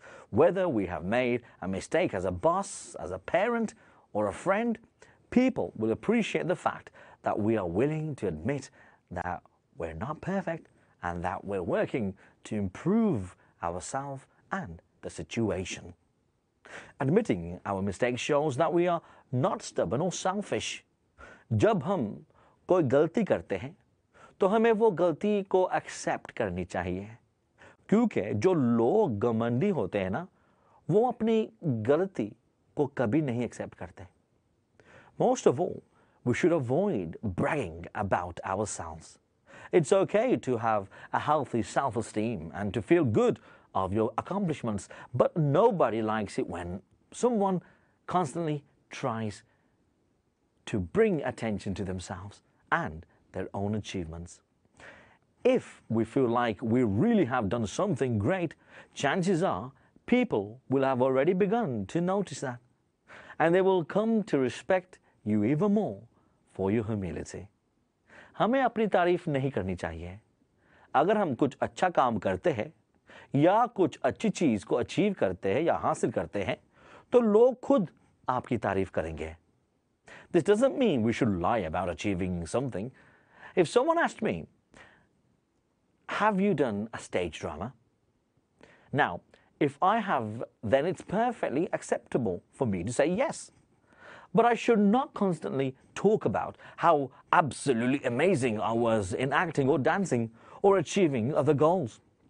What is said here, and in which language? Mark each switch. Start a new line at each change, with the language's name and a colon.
English: Whether we have made a mistake as a boss, as a parent, or a friend, people will appreciate the fact that we are willing to admit that we're not perfect and that we're working to improve ourselves and the situation. Admitting our mistakes shows that we are not stubborn or selfish.
Hindi: जब हम कोई गलती करते हैं तो हमें वो गलती को accept करनी चाहिए, क्योंकि जो लोग घमंडी होते हैं ना, वो अपनी गलती को कभी नहीं accept करते.
English: Most of all, we should avoid bragging about ourselves. It's okay to have a healthy self-esteem and to feel good of your accomplishments, but nobody likes it when someone constantly tries to bring attention to themselves and their own achievements. If we feel like we really have done something great, chances are people will have already begun to notice that, and they will come to respect you even more for your humility.
Hindi: हमें अपनी तारीफ नहीं करनी चाहिए. अगर हम कुछ अच्छा काम करते हैं या कुछ अच्छी चीज को अचीव करते हैं या हासिल करते हैं तो लोग खुद आपकी तारीफ करेंगे.
English: This doesn't mean we should lie about achieving something. If someone asked me, "Have you done a stage drama?" Now, if I have, then it's perfectly acceptable for me to say yes. But I should not constantly talk about how absolutely amazing I was in acting or dancing or achieving other goals.